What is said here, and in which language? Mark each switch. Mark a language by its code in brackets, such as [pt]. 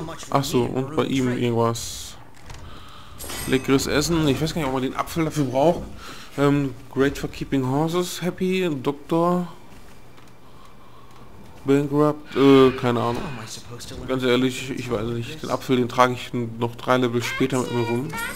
[de] Ach so, und bei ihm irgendwas. Leckeres Essen. Ich weiß gar nicht, ob man den Apfel dafür braucht. [en] Great for keeping horses happy. [de] Doktor. Bankrupt. Keine Ahnung. Ganz ehrlich, ich weiß nicht. Den Apfel, den trage ich noch 3 Level später mit mir rum.